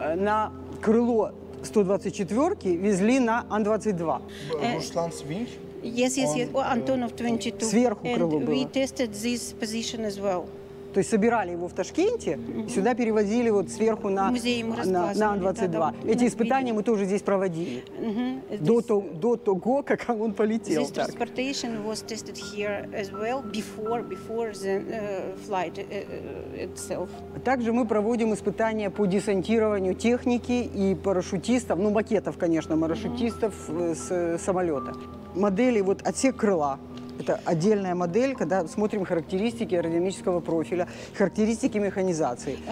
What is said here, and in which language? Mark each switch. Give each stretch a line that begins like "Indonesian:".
Russian: На крыло 124-ки везли на АН-22.
English: Руслан's wing? Yes. Antonov 22.
Russian: Сверху крыло было.
English: And we tested this position as well.
Russian: То есть собирали его в Ташкенте, mm-hmm. сюда перевозили вот сверху на АН-22. Да, эти испытания мы тоже здесь проводили. Mm-hmm. До того, как он полетел.
English: This transportation was tested here as well before the flight itself.
Russian: Также мы проводим испытания по десантированию техники и парашютистов, ну макетов, конечно, парашютистов mm-hmm. с самолета. Модели вот отсек крыла. Это отдельная модель, когда смотрим характеристики аэродинамического профиля, характеристики механизации.